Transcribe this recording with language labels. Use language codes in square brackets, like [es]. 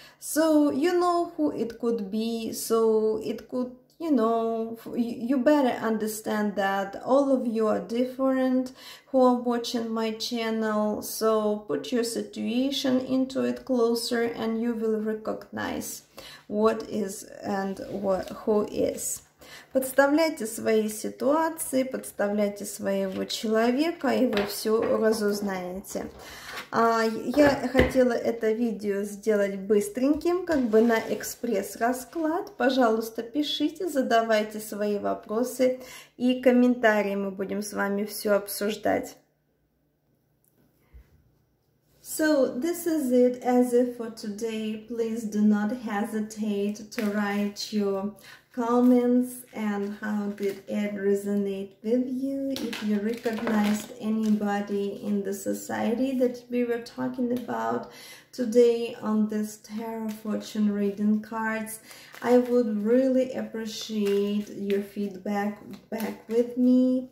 [en] So you know who it could be, so it could, you know, you better understand that all of you are different who are watching my channel. So put your situation into it closer and you will recognize what is and what who is. [ru] Подставляйте свои ситуации, подставляйте своего человека, и вы все разузнаете. Я хотела это видео сделать быстреньким, как бы на экспресс-расклад. Пожалуйста, пишите, задавайте свои вопросы и комментарии, мы будем с вами все обсуждать. [en] So this is it as if for today. Please do not hesitate to write your comments and how did it resonate with you. If you recognized anybody in the society that we were talking about today on this tarot fortune reading cards, I would really appreciate your feedback back with me.